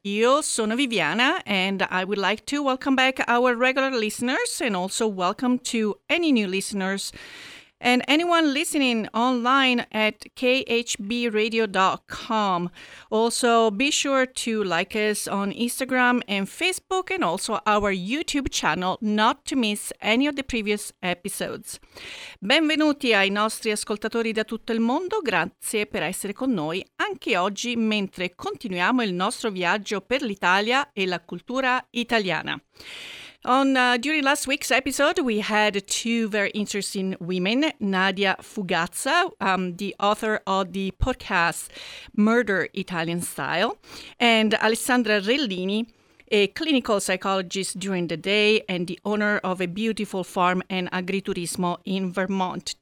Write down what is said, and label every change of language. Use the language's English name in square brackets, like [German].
[Italian] Io sono Viviana [English] and I would like to welcome back our regular listeners and also welcome to any new listeners and anyone listening online at khbradio.com. Also, be sure to like us on Instagram and Facebook and also our YouTube channel, not to miss any of the previous episodes. [Italian] Benvenuti ai nostri ascoltatori da tutto il mondo, grazie per essere con noi anche oggi mentre continuiamo il nostro viaggio per l'Italia e la cultura italiana. [English] During last week's episode, we had two very interesting women, Nadia Fugazza, the author of the podcast Murder Italian Style, and Alessandra Rellini, a clinical psychologist during the day and the owner of a beautiful farm and agriturismo in Vermont.